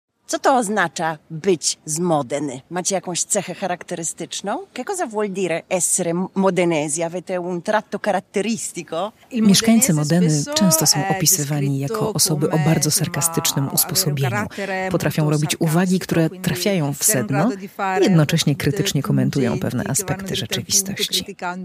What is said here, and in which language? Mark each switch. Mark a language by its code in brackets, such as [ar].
[pl] Co to oznacza być z Modeny? Macie jakąś cechę charakterystyczną? [it] Che cosa vuol dire essere modenesi? Avete un tratto caratteristico? [pl] Mieszkańcy Modeny często są opisywani jako osoby o bardzo sarkastycznym usposobieniu. Potrafią robić uwagi, które trafiają w sedno i jednocześnie krytycznie komentują pewne aspekty rzeczywistości.